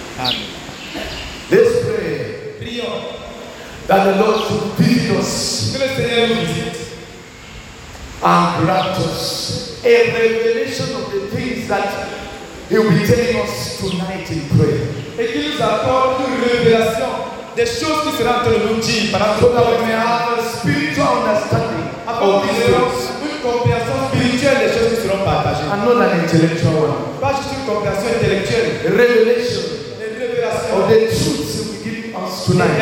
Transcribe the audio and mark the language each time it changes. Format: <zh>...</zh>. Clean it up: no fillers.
<en>Amen. Let's pray that the Lord should visit us. And grant us a revelation of the things that He will be telling us tonight in prayer.</en> <fr>Et qu'il nous apporte une révélation des choses qui seront en train de nous dire par rapport à notre</fr> <en>spiritual understanding.</en> <fr>Apporte une compréhension spirituelle des choses qui seront partagées.</fr> <en>And not an intellectual one.</en> <fr>Pas juste une compréhension intellectuelle.</fr> <en>Revelation of the truths He will give us tonight.</en>